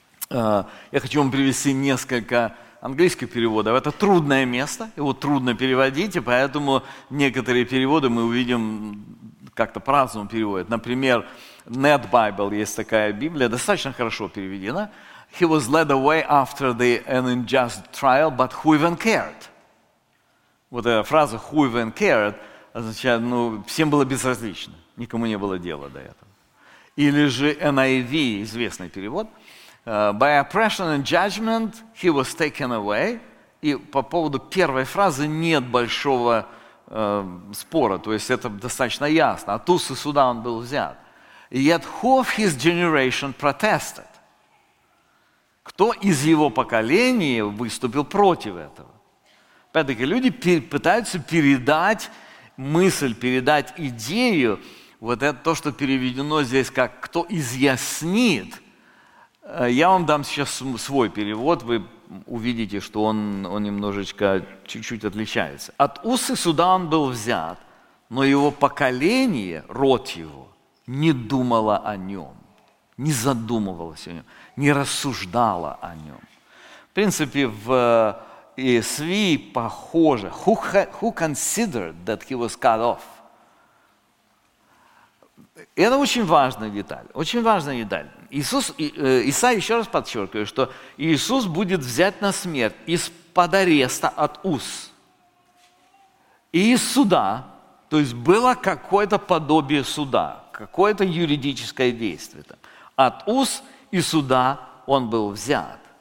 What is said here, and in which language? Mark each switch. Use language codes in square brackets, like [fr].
[ru] Я хочу вам привести несколько английских переводов. Это трудное место, его трудно переводить, и поэтому некоторые переводы мы увидим как-то по-разному переводят. Например, Net Bible, есть такая Библия, достаточно хорошо переведена. [en] «He was led away after the unjust trial, but who even cared?» [ru] Вот эта фраза «who even cared» означает, ну, всем было безразлично, никому не было дела до этого. Или же NIV, известный перевод: «By oppression and judgment he was taken away». И по поводу первой фразы нет большого спора, то есть это достаточно ясно. От уст и суда он был взят. «Yet who of his generation protested?» Кто из его поколения выступил против этого? Опять-таки, люди пытаются передать мысль, передать идею, вот это то, что переведено здесь как «кто изъяснит». Я вам дам сейчас свой перевод, вы увидите, что он немножечко, чуть-чуть отличается. «От уст и суда он был взят, но его поколение, род его, не думало о нем, не задумывалось о нем, не рассуждало о нем». В принципе, в ESV похоже. [en] Who considered that he was cut off? [ru] Это очень важная деталь. Очень важная деталь. Исаия еще раз подчеркивает, что Иисус будет взят на смерть из-под ареста от уст. И из суда, то есть было какое-то подобие суда, какое-то юридическое действие. От уст и суда он был взят.